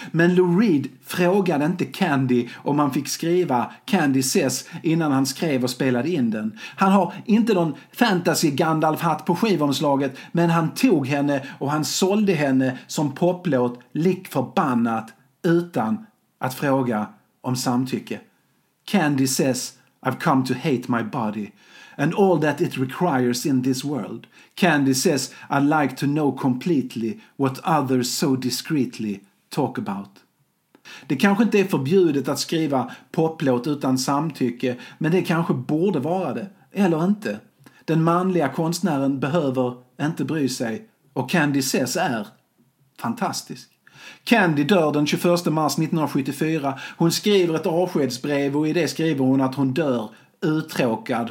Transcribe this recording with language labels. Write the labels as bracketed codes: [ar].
[sv] Men Lou Reed frågade inte Candy om han fick skriva Candy Says innan han skrev och spelade in den. Han har inte någon fantasy-Gandalf-hatt på skivomslaget, men han tog henne och han sålde henne som poplåt lik förbannat utan att fråga om samtycke. [en] Candy says I've come to hate my body and all that it requires in this world. Candy says I'd like to know completely what others so discreetly talk about. [sv] Det kanske inte är förbjudet att skriva poplåt utan samtycke, men det kanske borde vara det, eller inte. Den manliga konstnären behöver inte bry sig, och Candy Says är fantastisk. Candy dör den 21 mars 1974. Hon skriver ett avskedsbrev och i det skriver hon att hon dör uttråkad.